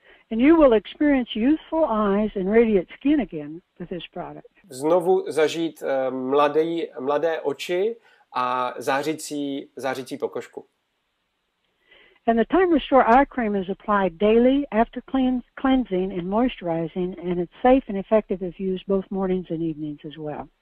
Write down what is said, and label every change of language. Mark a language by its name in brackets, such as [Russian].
[English] And you will experience youthful eyes and radiant skin again with this product. [Czech] Znovu zažít mladé oči a zářící pokožku. [English] And the Time Restore eye cream is applied daily after cleansing and moisturizing, and it's safe and effective if used both mornings and evenings as well.